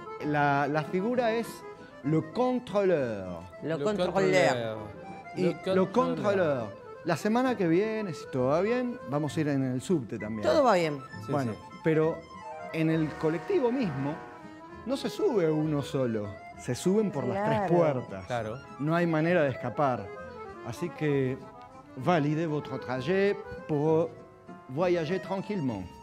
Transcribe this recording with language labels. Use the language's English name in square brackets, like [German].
[Spanish] La figura es le contrôleur. [French] Le contrôleur. [Spanish] La semana que viene, si todo va bien, vamos a ir en el subte también. Todo va bien. Bueno, sí, sí. Pero en el colectivo mismo no se sube uno solo. Se suben por las tres puertas. Claro. No hay manera de escapar. Así que [French] validez votre trajet pour voyager tranquillement.